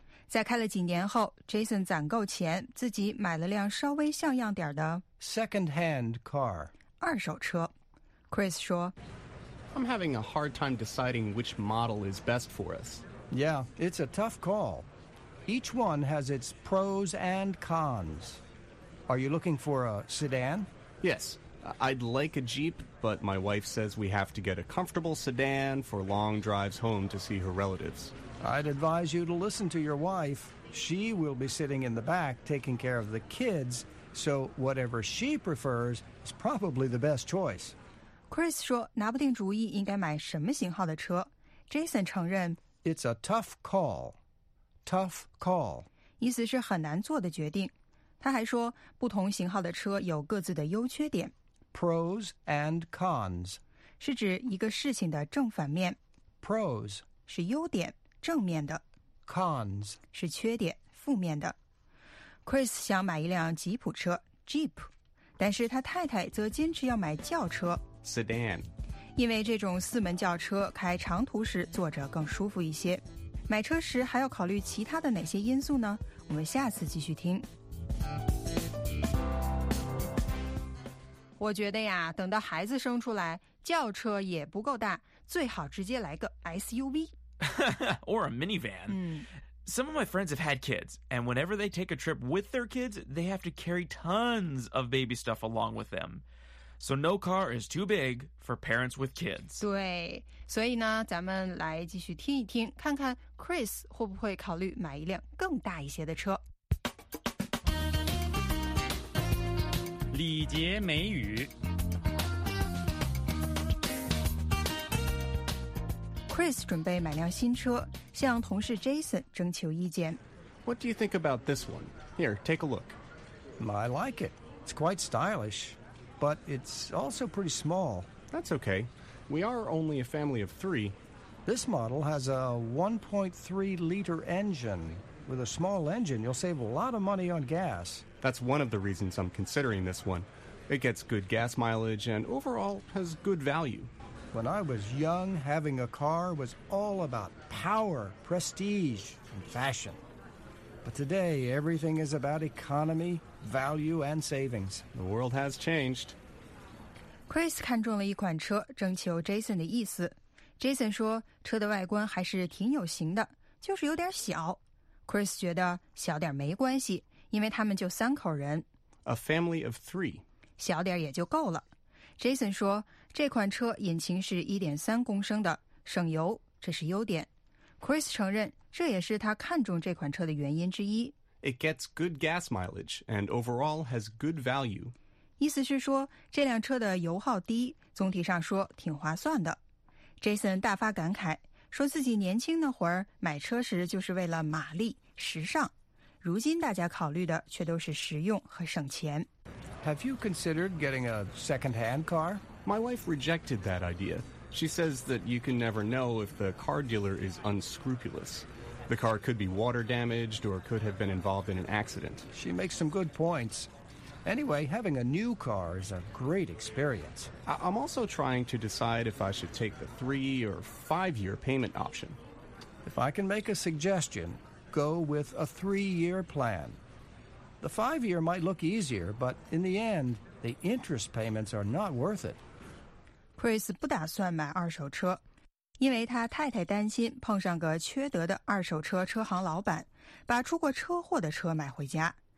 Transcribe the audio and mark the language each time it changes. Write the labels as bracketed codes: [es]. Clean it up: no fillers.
[zh] 在开了几年后 ,Jason 攒够钱自己买了辆稍微像样点的 [en] Second-hand car. [zh] 二手车。Chris 说 [en] I'm having a hard time deciding which model is best for us. Yeah, it's a tough call. Each one has its pros and cons. Are you looking for a sedan? Yes, I'd like a Jeep, but my wife says we have to get a comfortable sedan for long drives home to see her relatives. I'd advise you to listen to your wife. She will be sitting in the back taking care of the kids, so whatever she prefers is probably the best choice. [zh] Chris 说拿不定主意应该买什么型号的车。 Jason 承认 [en] It's a tough call. Tough call. [zh] 意思是很难做的决定。他还说不同型号的车有各自的优缺点。 [en] Pros and cons. [zh] 是指一个事情的正反面。 [en] Pros [zh] 是优点。正面的 [en] cons [zh] 是缺点负面的 Chris 想买一辆吉普车 Jeep 但是他太太则坚持要买轿车 [en] Sedan [zh] 因为这种四门轿车开长途时坐着更舒服一些买车时还要考虑其他的哪些因素呢我们下次继续听我觉得呀等到孩子生出来轿车也不够大最好直接来个 SUV [en] Or a minivan. Some of my friends have had kids, and whenever they take a trip with their kids, they have to carry tons of baby stuff along with them. So no car is too big for parents with kids. [zh] 对，所以呢，咱们来继续听一听，看看 Chris 会不会考虑买一辆更大一些的车。礼节美语 Chris 准备买辆新车，向同事 Jason 征求意见。 [en] What do you think about this one? Here, take a look. I like it. It's quite stylish, but it's also pretty small. That's okay. We are only a family of three. This model has a 1.3-liter engine. With a small engine, you'll save a lot of money on gas. That's one of the reasons I'm considering this one. It gets good gas mileage and overall has good value. When I was young, having a car was all about power, prestige, and fashion. But today, everything is about economy, value, and savings. The world has changed. [zh] Chris 看中了一款车，征求 Jason 的意思。Jason 说，车的外观还是挺有型的，就是有点小。 Chris 觉得小点没关系，因为他们就三口人。 [en] A family of three. [zh] 小点也就够了。 Jason 说这款车引擎是 1.3 公升的省油这是优点。 Chris 承认这也是他看中这款车的原因之一。 [en] It gets good gas mileage and overall has good value. [zh] 意思是说这辆车的油耗低总体上说挺划算的。 Jason 大发感慨说自己年轻那会儿买车时就是为了马力时尚。如今大家考虑的却都是实用和省钱。 [en] Have you considered getting a second-hand car? My wife rejected that idea. She says that you can never know if the car dealer is unscrupulous. The car could be water damaged or could have been involved in an accident. She makes some good points. Anyway, having a new car is a great experience. I'm also trying to decide if I should take the 3 or 5 year payment option. If I can make a suggestion, go with a 3 year plan. The 5 year might look easier, but in the end, the interest payments are not worth it. [zh] Chris 不打算买二手车，因为他太太担心碰上个缺德的二手车车行老板，把出过车祸的车买回家。